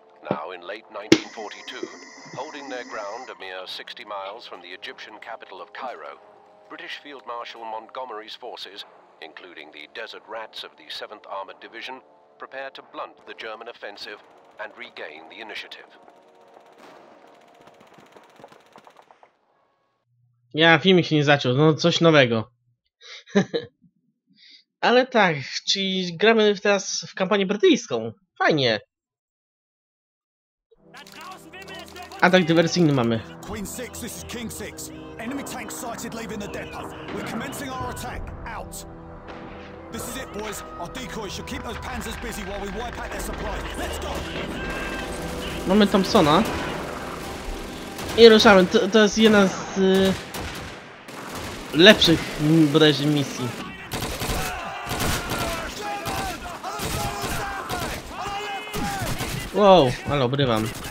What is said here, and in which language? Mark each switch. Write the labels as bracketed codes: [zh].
[en] Now in late 1942, holding their ground a mere 60 miles from the Egyptian capital of Cairo, British Field Marshal Montgomery's forces, including the Desert Rats of the 7th Armored Division, prepare to blunt the German offensive and regain the initiative. [pl] Ja, film się nie zaczął, no coś nowego. Ale tak, czyli gramy teraz w kampanię brytyjską. Fajnie. Atak dywersyjny mamy. [en] Queen 6, this is King 6. Enemy tank sighted leaving the depot. We're commencing our attack. Out. This is it, boys. Our decoys should keep those panzers busy while we wipe out their supplies. Let's go! [pl] Mamy Thompsona. I ruszamy. To jest jedna z lepszych bodajże misji. Wow, ale obrywam.